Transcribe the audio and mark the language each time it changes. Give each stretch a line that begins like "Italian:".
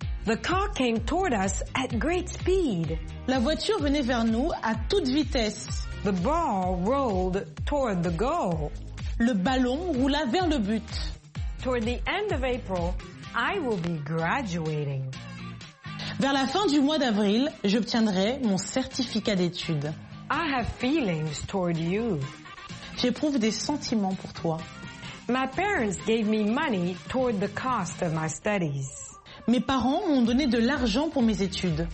English: The car came toward us at great speed.
French: La voiture venait vers nous à toute vitesse.
English: The ball rolled toward the goal.
French: Le ballon roula vers le but.
English: Toward the end of April, I will be graduating.
French: Vers la fin du mois d'avril, j'obtiendrai mon certificat d'études.
English: I have feelings toward you.
French: J'éprouve des sentiments pour toi.
English: My parents gave me money toward the cost of my studies.
French: Mes parents m'ont donné de l'argent pour mes études.